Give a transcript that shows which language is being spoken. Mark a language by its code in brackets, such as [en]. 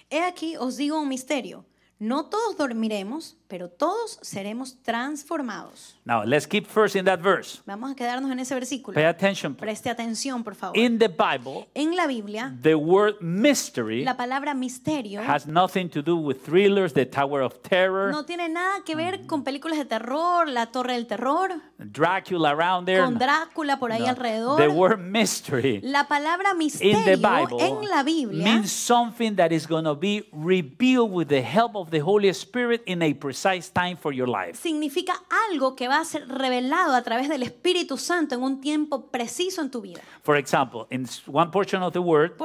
[es] He aquí os digo un misterio. No todos dormiremos, pero todos seremos transformados. [en] Now, let's keep first in that verse. [es] Vamos a quedarnos en ese versículo. [en] Pay attention. [es] Preste atención, por favor. [en] In the Bible, [es] en la Biblia, [en] the word mystery, [es] la palabra misterio, [en] has nothing to do with thrillers, the Tower of Terror. [es] No tiene nada que ver con películas de terror, la Torre del Terror. [en] Dracula around there. [es] Con Drácula por ahí alrededor. [en] The word mystery, [es] la palabra misterio, [en] in the Bible, [es] en la Biblia, [en] means something that is going to be revealed with the help of the Holy Spirit in a precise time for your life. [es] Significa algo que va a ser revelado a través del Espíritu Santo en un tiempo preciso en tu vida. [en] For example, in one portion of the word,